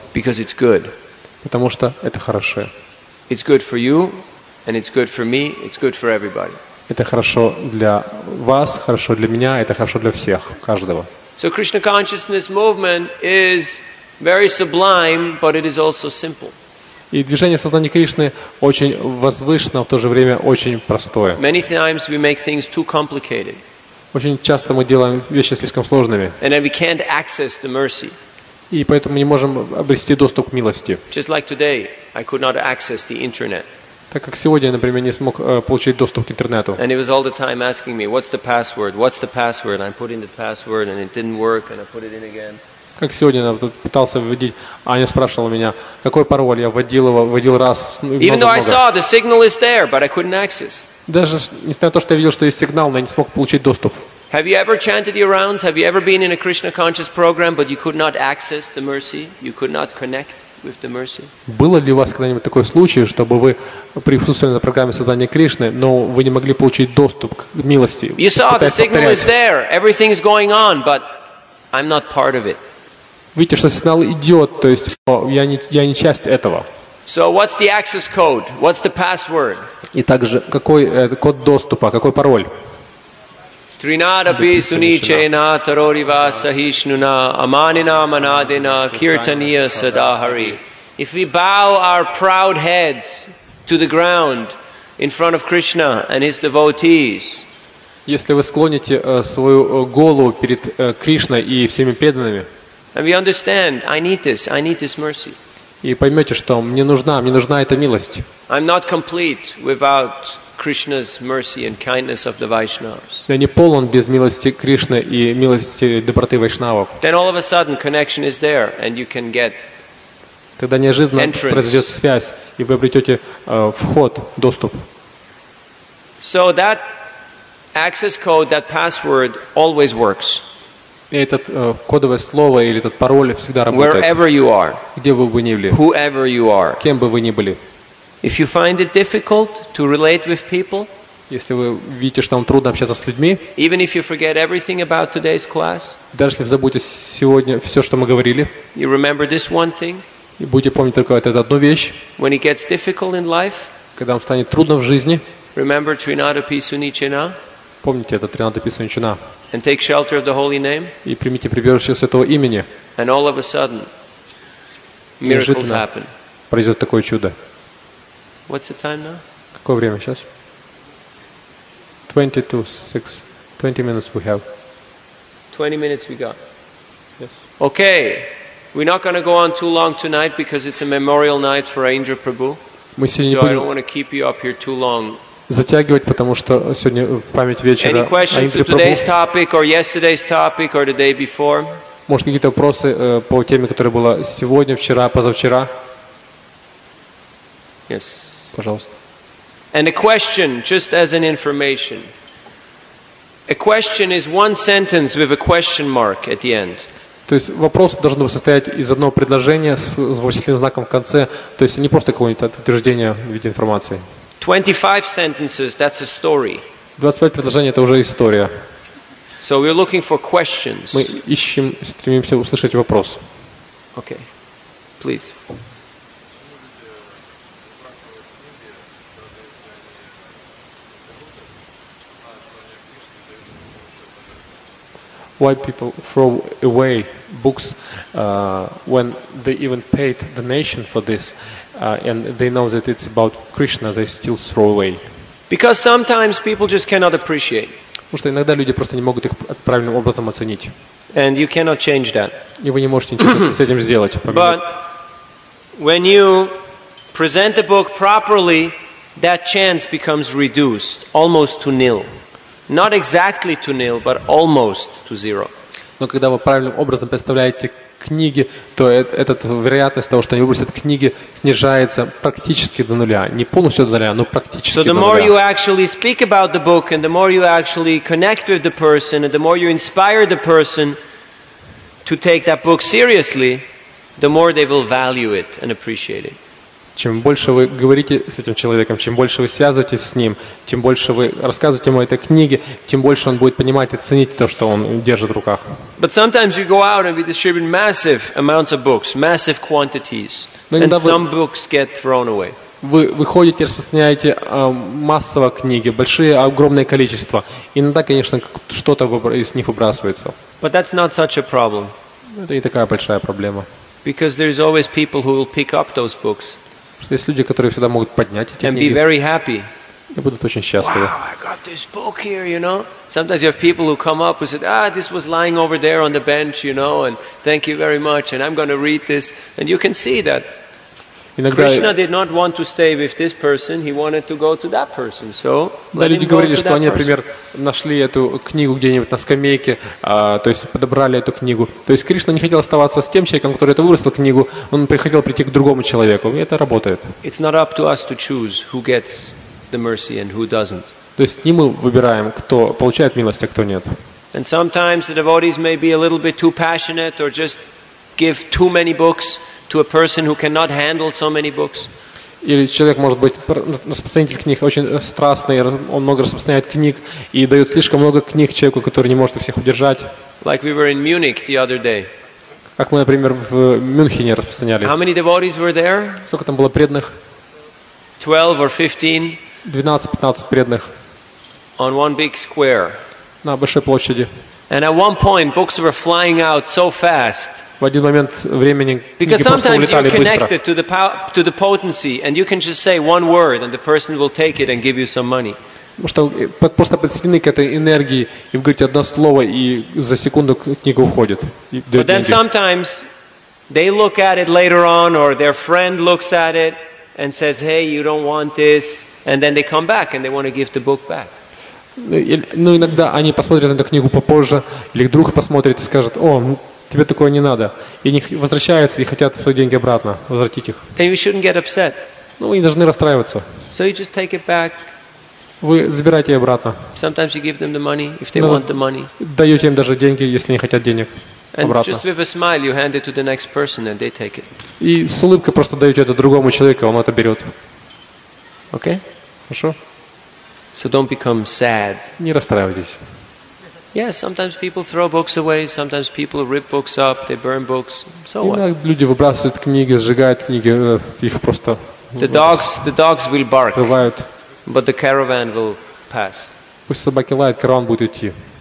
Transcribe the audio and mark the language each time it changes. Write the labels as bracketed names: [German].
[English] Because it's good. [Russian] Потому что это хорошо. [English] It's good for you, and it's good for me, it's good for everybody. [Russian] Это хорошо для вас, хорошо для меня, это хорошо для всех, каждого. [English] So Krishna consciousness movement is very sublime, but it is also simple. [Russian] И движение сознания Кришны очень возвышенно, в то же время очень простое. [English] Many times we make things too complicated. [Russian] Очень часто мы делаем вещи слишком сложными. [English] And then we can't access the mercy. [Russian] И поэтому не можем обрести доступ к милости. [English] Just like today, I could not access the internet. [Russian] Так как сегодня, например, не смог получить доступ к интернету. [English] And he was all the time asking me, what's the password? What's the password? I put in the password and it didn't work and I put it in again. [Russian] Как сегодня я пытался вводить, Аня спрашивала меня, какой пароль? Я вводил его, вводил раз. [English] Even though I saw the signal is there, but I couldn't access. [Russian] Даже несмотря на то, что я видел, что есть сигнал, но я не смог получить доступ. [English] Have you ever chanted your rounds? Have you ever been in a Krishna conscious program, but you could not access the mercy? You could not connect? [Russian] Было ли у вас когда-нибудь такой случай, чтобы вы присутствовали на программе создания Кришны, но вы не могли получить доступ к милости? [English] You saw the signal is there, everything is going on, but I'm not part of it. [Russian] Видите, что сигнал идет, то есть я не часть этого. [English] So what's the access code? What's the password? [Russian] И также какой код доступа, какой пароль? [Sanskrit] Trinada bisuniche na tarodiva sahishnuna amanina manadina kirtaniya sadahari. [English] If we bow our proud heads to the ground in front of Krishna and his devotees. [Russian] Если вы склоните свою голову перед Кришной и всеми преданными. [English] And we understand, I need this mercy. [Russian] И поймете, что мне нужна эта милость. [English] I'm not complete without Krishna's mercy and kindness of the Vaishnavas. [Russian] Я не полон без милости Кришны и милости доброты Вайшнавов. [English] Then all of a sudden connection is there and you can get. [Russian] Тогда неожиданно произойдет связь и вы обретете вход, доступ. [English] So that access code, that password always works. [Russian] И этот кодовое слово или этот пароль всегда работает. [English] Wherever you are. [Russian] Где бы вы ни были. [English] Whoever you are. [Russian] Кем бы вы ни были. [English] If you find it difficult to relate with people, [Russian] если вы видите, что вам трудно общаться с людьми, [English] even if you forget everything about today's class, [Russian] даже если забудете сегодня все, что мы говорили, [English] you remember this one thing, [Russian] и будете помнить только это одну вещь, [English] when it gets difficult in life, [Russian] когда вам станет трудно в жизни, [English] remember Trinada Pisunichina, [Russian] помните это Trinada Pisunichina, [English] and take shelter of the holy name, [Russian] и примите прибежище святого имени, [English] and all of a sudden, miracles happen, [Russian] произойдет такое чудо. [English] What's the time now? [Russian] Какое время сейчас? 22:06. [English] 20 minutes we have. 20 minutes we got. Yes. Okay. We're not going to go on too long tonight because it's a memorial night for Indra Prabhu. [Russian] Мы сегодня [English] so [Russian] не будем. [English] So I don't want to keep you up here too long. [Russian] Затягивать, потому что сегодня память вечера. [English] Any questions for today's topic or yesterday's topic or the day before? [Russian] Может какие-то вопросы по теме, которая была сегодня, вчера, позавчера? [English] Yes. [Russian] Пожалуйста. [English] And a question, just as an information. A question is one sentence with a question mark at the end. [Russian] То есть вопрос должен состоять из одного предложения с вопросительным знаком в конце, то есть не просто какое-то утверждение в виде информации. [English] 25 sentences, that's a story. [Russian] 25 предложений — это уже история. [English] So we're looking for questions. [Russian] Мы ищем, стремимся услышать вопрос. [English] Okay. Please. Why people throw away books when they even paid the nation for this and they know that it's about Krishna, they still throw away. Because sometimes people just cannot appreciate. [Russian] Потому что иногда люди просто не могут их правильным образом оценить. [English] And you cannot change that. [Russian] И вы не можете ничего с этим сделать. [English] But when you present the book properly, that chance becomes reduced almost to nil. Not exactly to nil, but almost to zero. [Russian] Но когда вы правильным образом представляете книги, то эта вероятность того, что они выбросят книги, снижается практически до нуля. Не полностью до нуля, но практически до нуля. [English] So the more you actually speak about the book, and the more you actually connect with the person, and the more you inspire the person to take that book seriously, the more they will value it and appreciate it. [Russian] Чем больше вы говорите с этим человеком, чем больше вы связываетесь с ним, тем больше вы рассказываете ему о этой книге, тем больше он будет понимать и ценить то, что он держит в руках. [English] But sometimes you go out and we distribute massive amounts of books, massive quantities, and some books get thrown away. [Russian] Вы выходите и распространяете массово книги, большие, огромное количество. Иногда, конечно, что-то из них выбрасывается. [English] But that's not such a problem. [Russian] Это не такая большая проблема. [English] Because there is always people who will pick up those books. [Russian] Что есть люди, которые всегда могут поднять эти [English] and [Russian] книги [English] be very happy. [Russian] И будут очень счастливы. [English] Wow, I got this book here, you know. Sometimes you have people who come up and said, ah, this was lying over there on the bench, you know, and thank you very much, and I'm going to read this. And you can see that [Russian] иногда [English] Krishna did not want to stay with this person, he wanted to go to that person. So, [Russian] да, люди говорили, что они, например, [English] person. [Russian] Нашли эту книгу где-нибудь на скамейке, то есть подобрали эту книгу. То есть Кришна не хотел оставаться с тем человеком, который это выбросил книгу, он хотел прийти к другому человеку, и это работает. [English] It's not up to us to choose who gets the mercy and who doesn't. [Russian] То есть не мы выбираем, кто получает милость, а кто нет. [English] And sometimes the devotees may be a little bit too passionate or just give too many books to a person who cannot handle so many books. [Russian] Или человек может быть распространитель книг очень страстный, он много распространяет книг и дает слишком много книг человеку, который не может их всех удержать. [English] Like we were in Munich the other day. [Russian] Как мы, например, в Мюнхене распространяли. [English] How many devotees were there? [Russian] Сколько там было преданных? [English] 12 or 15. [Russian] 12-15 преданных. [English] On one big square. [Russian] На большой площади. [English] And at one point, books were flying out so fast. [Russian] В один момент времени книги просто улетали быстро. [English] Because sometimes you're connected to the potency, and you can just say one word, and the person will take it and give you some money. [Russian] Потому что просто подсоединены к этой энергии, и вы говорите одно слово, и за секунду книга уходит. [English] But then sometimes they look at it later on, or their friend looks at it and says, "Hey, you don't want this," and then they come back and they want to give the book back. [Russian] Ну, иногда они посмотрят на эту книгу попозже, или друг посмотрит и скажет, о, тебе такое не надо. И они возвращаются и хотят свои деньги обратно, возвратить их. [English] Then you shouldn't get upset. [Russian] Ну, вы не должны расстраиваться. [English] So you just take it back. [Russian] Вы забираете ее обратно. [English] Sometimes you give them the money, if they want the money. [Russian] Даете им даже деньги, если они хотят денег. [English] And [Russian] обратно. [English] Just with a smile you hand it to the next person and they take it. [Russian] И с улыбкой просто даете это другому человеку, он это берет. [English] Okay? [Russian] Хорошо? [English] So don't become sad. [Russian] Не расстраивайтесь. [English] Yeah, sometimes people throw books away, sometimes people rip books up, they burn books. So what? [Russian] Иногда люди выбрасывают книги, сжигают книги, их просто. [English] The dogs will bark. [Russian] Рывают. [English] But the caravan will pass. [Russian] Пусть собаки лают, караван будет идти.